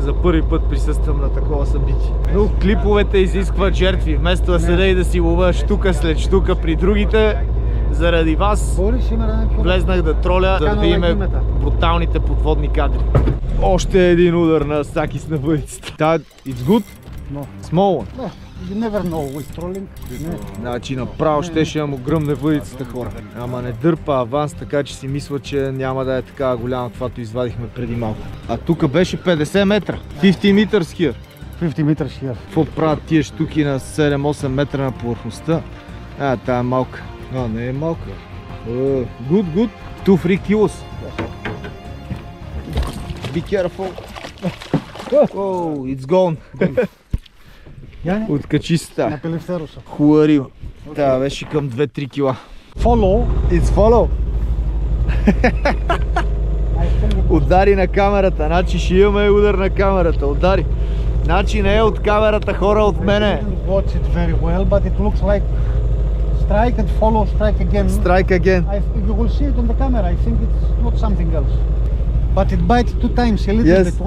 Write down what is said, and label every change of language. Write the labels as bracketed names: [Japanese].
[Bulgarian] За първи път присъствам на такова събитие. Но клиповете изискват жертви. Вместо да седе и да си лова штука след штука при другите, заради вас влезнах да троля, за да видим бруталните подводни кадри. Още един удар на Сакис на въдицата. [English] Та, it's good? No. Small one? Не, you never know with trolling. [Bulgarian] Значи направо ще му гръмне въдицата, хора. Ама не дърпа аванс, така че си мисля, че няма да е така голямо, товато извадихме преди малко. А тук беше 50 метра. [English] 50 meters here. 50 meters here. [Bulgarian] Какво правят тия штуки на 7-8 метра на повърхността? А, тая е малка. А, не е малка. [English] Good, good. 2-3 kilos. Be careful. Oh, it's gone. [Bulgarian] Откачи се тая. Напили в сероса. Хубава риба. Тая беше към 2-3 кила. [English] Follow. It's follow. [Bulgarian] Удари на камерата, значи ще имаме удар на камерата, удари. Значи не е от камерата, хора, от мене. [English] Watch it very well, but it looks like strike and follow strike again. Strike again. You will see it on the camera. I think it's not something else. But it bites two times, a little bit.